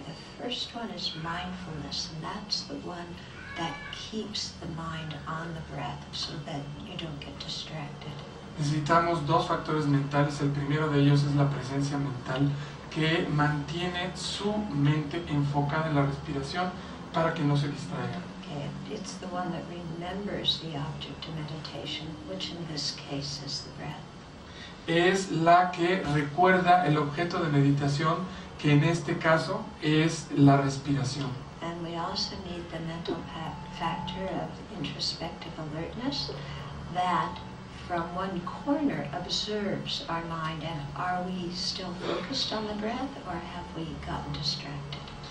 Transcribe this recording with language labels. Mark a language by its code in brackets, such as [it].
[en] The first one is mindfulness, and that's the one that keeps the mind on the breath so that you don't get distracted. [es] Necesitamos dos factores mentales. El primero de ellos es la presencia mental, que mantiene su mente enfocada en la respiración para que no se distraiga. [en] Okay. It's the one that remembers the object of meditation, which in this case is the breath. [es] Es la que recuerda el objeto de meditación, que en este caso es la respiración. [en] And we also need the mental factor of introspective alertness, that from one corner observes our mind, and are we still focused on the breath or have we gotten distracted?